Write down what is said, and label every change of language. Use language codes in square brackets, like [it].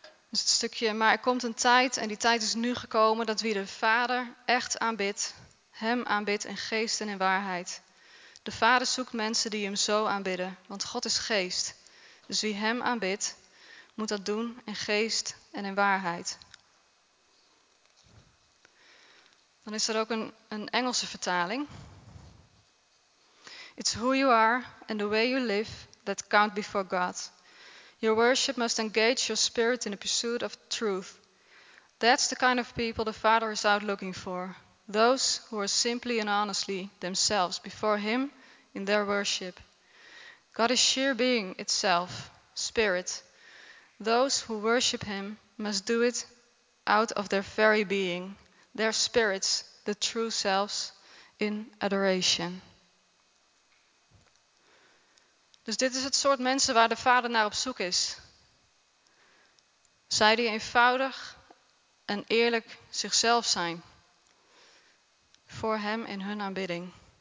[nl] Dus het stukje, maar er komt een tijd en die tijd is nu gekomen dat wie de Vader echt aanbidt, hem aanbidt in geest en in waarheid. De Vader zoekt mensen die hem zo aanbidden, want God is geest. Dus wie hem aanbidt, moet dat doen in geest en in waarheid. Dan is er ook een Engelse vertaling. [en] It's who you are and the way you live that count before God. Your worship must engage your spirit in the pursuit of truth. That's the kind of people the Father is out looking for. Those who are simply and honestly themselves before him in their worship. God is sheer being itself, spirit. Those who worship him must do it out of their very being, their spirits, the true selves, in adoration. [nl] Dus dit is het soort mensen waar de Vader naar op zoek is. Zij die eenvoudig en eerlijk zichzelf zijn. Voor hem in hun aanbidding.